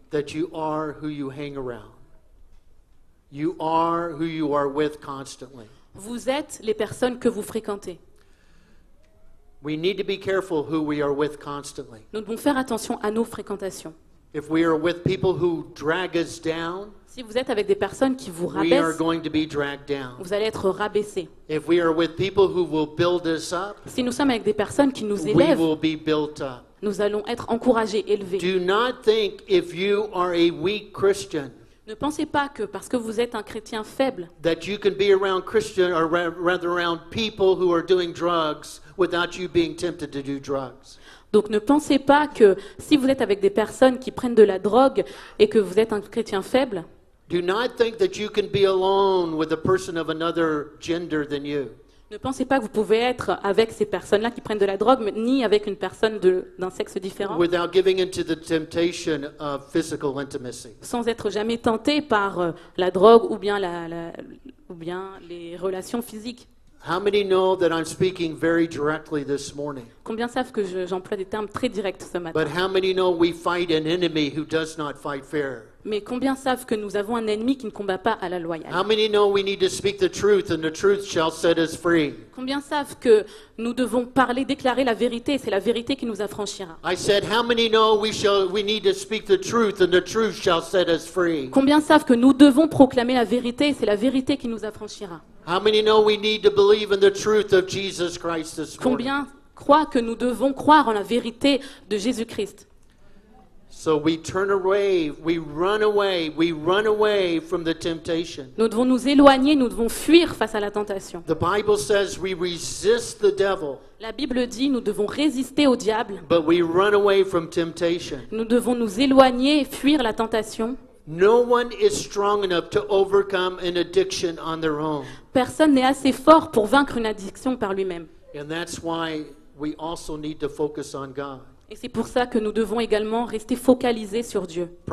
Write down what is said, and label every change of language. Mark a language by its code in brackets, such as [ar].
[en] That you are who you hang around. You are who you are with constantly. [fr] Vous êtes les personnes que vous fréquentez. [en] We need to be careful who we are with constantly. [fr] Nous devons faire attention à nos fréquentations. [en] If we are with people who drag us down, [fr] si vous êtes avec des personnes qui vous rabaissent, [en] we are going to be dragged down. [fr] Vous allez être rabaissés. [en] If we are with people who will build us up, [fr] si nous sommes avec des personnes qui nous élèvent, [en] we will be built up. [fr] Nous allons être encouragés, élevés. [en] Do not think if you are a weak Christian, [fr] ne pensez pas que parce que vous êtes un chrétien faible, [en] that you can be around Christian or rather around people who are doing drugs without you being tempted to do drugs. [fr] Donc ne pensez pas que si vous êtes avec des personnes qui prennent de la drogue et que vous êtes un chrétien faible, [en] do not think that you can be alone with a person of another gender than you. [fr] Ne pensez pas que vous pouvez être avec ces personnes-là qui prennent de la drogue, mais ni avec une personne d'un sexe différent. [en] Without giving into the temptation of physical intimacy. [fr] Sans être jamais tenté par la drogue ou bien ou bien les relations physiques. [en] How many know that I'm speaking very directly this morning? [fr] Combien savent que j'emploie des termes très directs ce matin? [en] But how many know we fight an enemy who does not fight fair? [fr] Mais combien savent que nous avons un ennemi qui ne combat pas à la loyale? [en] How many know we need to speak the truth and the truth shall set us free? [fr] Combien savent que nous devons parler, déclarer la vérité et c'est la vérité qui nous affranchira? [en] I said, how many know we need to speak the truth and the truth shall set us free? [fr] Combien savent que nous devons proclamer la vérité et c'est la vérité qui nous affranchira? [en] How many know we need to believe in the truth of Jesus Christ this morning? [fr] Combien croient que nous devons croire en la vérité de Jésus-Christ? [en] So we turn away, we run away, we run away from the temptation. [fr] Nous devons nous éloigner, nous devons fuir face à la tentation. [en] The Bible says we resist the devil. [fr] La Bible dit nous devons résister au diable. [en] But we run away from temptation. [fr] Nous devons nous éloigner et fuir la tentation. [en] No one is strong enough to overcome an addiction on their own. [fr] Personne n'est assez fort pour vaincre une addiction par lui-même. [en] And that's why we also need to focus on God. [fr] Et c'est pour ça que nous devons également rester focalisés sur Dieu.